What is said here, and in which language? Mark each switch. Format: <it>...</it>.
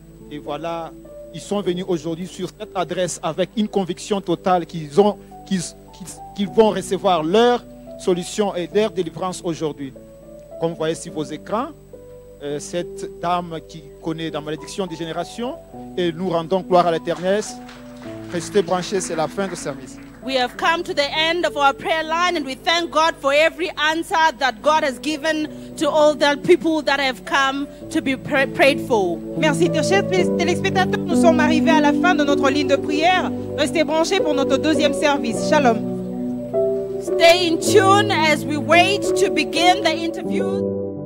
<fr>Et voilà, ils sont venus aujourd'hui sur cette adresse avec une conviction totale qu'ils vont recevoir leur solution et leur délivrance aujourd'hui. Comme vous voyez sur vos écrans, cette dame qui connaît la malédiction des générations, et nous rendons gloire à l'Éternel. Restez branchés, c'est la fin du service.</fr> <en>We have come to the end of our prayer line, and we thank God for every answer that God has given to all the people that have come to be prayed for.</en> <fr>Merci, chers téléspectateurs. Nous sommes arrivés à la fin de notre ligne de prière. Restez branchés pour notre deuxième service. Shalom.</fr> <en>Stay in tune as we wait to begin the interviews.</en>